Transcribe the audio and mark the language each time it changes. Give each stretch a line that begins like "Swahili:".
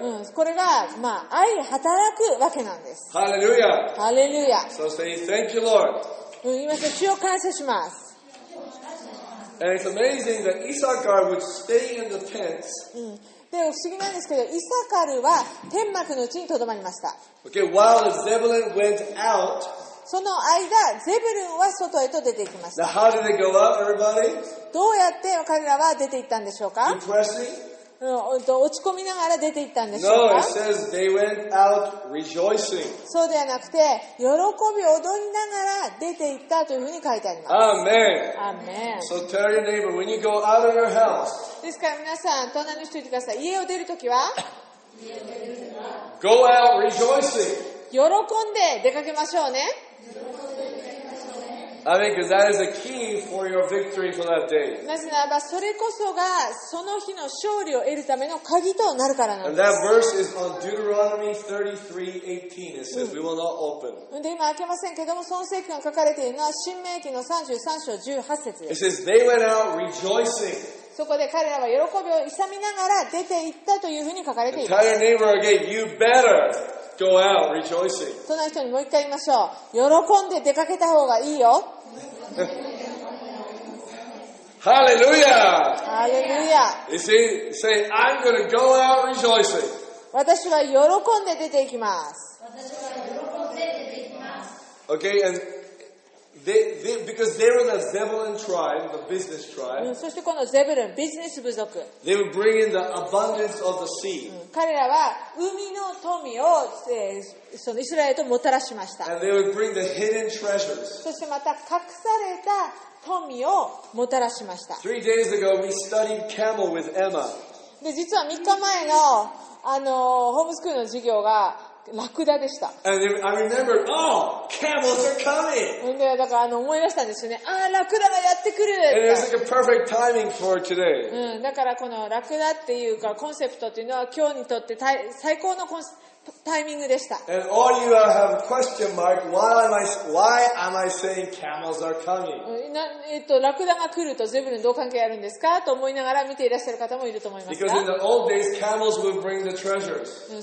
Japanese: うん、これがまあ相働くわけなんです。ハレルヤ。ハレルヤ。
English: So say thank you, Lord。
Japanese: うん、今主を感謝します。
English: And it's amazing that Issachar would stay in the tents.
Japanese: うん。で、不思議なんですけど、イサカルは天幕のうちに留まりました。
English: Okay, while Zebulun went out.
Japanese: その間、ゼブルンは外へと出て行きました。
English: Now, how did they go out, everybody?
Japanese: どうやって彼らは出て行ったんでしょうか？
English: Depressing?
Japanese: 落ち込みながら出て行ったんでしょうか？
English: No, it says they went out rejoicing.
Japanese: そうではなくて、喜び踊りながら出て行ったというふうに書いてあります。
English: Amen. Amen. So tell your neighbor, when you go out of your house,
Japanese: ですから皆さん、隣の人に言ってください。家を出るときは、
English: Go out rejoicing.
Japanese: 喜んで出かけましょうね。
English: I mean, because that is a key for your victory for that day.
Japanese: なぜならば、それこそがその日の勝利を得るための鍵となるからなんです。
English: And that verse is on Deuteronomy 33:18. It says, "We will not open."
Japanese: で、今開けませんけども、その聖句が書かれているのは申命記の33章18節です。
English: It says, "They went out rejoicing."
Japanese: そこで彼らは喜びを勇みながら出て行ったというふうに書かれています。
English: And tell your neighbor again, "You better." Go out rejoicing.
Japanese: その人にもう一回言いましょう。喜んで出かけた方がいいよ。
English: Hallelujah! Hallelujah! You see, say, I'm going to go out rejoicing.
Japanese: 私は喜んで出ていきます。
English: Okay, and they, because they were the Zebulun tribe, the business tribe.
Japanese: そしてこのゼブルン、ビジネス部族。
English: They were bringing the abundance of the sea.
Japanese: 彼らは海の富をそのイスラエルともたらしました。
English: And they would bring the hidden treasures.
Japanese: そしてまた隠された富をもたらしました。
English: Three days ago, we studied camel with Emma.
Japanese: で、実は3日前のあのホームスクールの授業がラクダでした。で、だからあの思い出したんですよね。ああ、ラクダがやってくる。
English: And it's like a perfect timing for today.
Japanese: うん、だからこのラクダっていうかコンセプトっていうのは今日にとって最高のタイミングでした。
English: And all you have a question mark, why am I saying camels are coming?
Japanese: ラクダが来るとゼブルンどう関係あるんですかと思いながら見ていらっしゃる方もいると思いますが。
English: Because in the old days, camels would bring the treasures.